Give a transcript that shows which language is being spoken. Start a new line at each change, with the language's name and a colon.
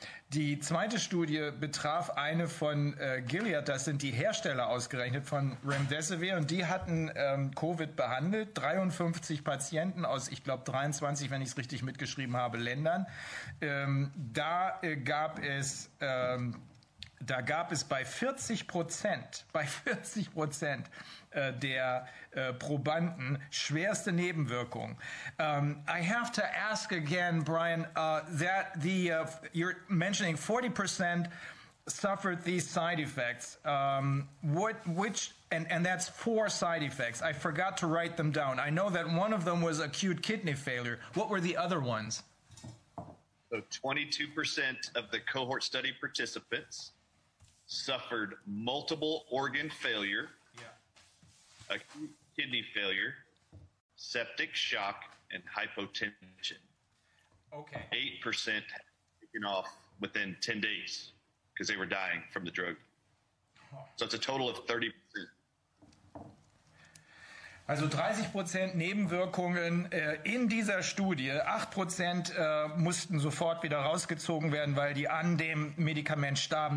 German: Die zweite Studie betraf eine von Gilead, das sind die Hersteller ausgerechnet von Remdesivir, und die hatten Covid behandelt, 53 Patienten aus, ich glaube, 23, wenn ich es richtig mitgeschrieben habe, Ländern. Da gab es da gab es bei 40% der Probanden schwerste Nebenwirkungen.
English: I have to ask again, Brian, that the you're mentioning 40% suffered these side effects. And that's 4 side effects. I forgot to write them down. I know that one of them was acute kidney failure. What were the other ones? So 22% of the cohort study participants suffered multiple organ failure, acute kidney failure, septic shock, and hypotension. Okay. 8% had taken off within 10 days because they were dying from the drug. So it's a total of 30%.
German: Also 30% Nebenwirkungen in dieser Studie, 8% mussten sofort wieder rausgezogen werden, weil die an dem Medikament starben.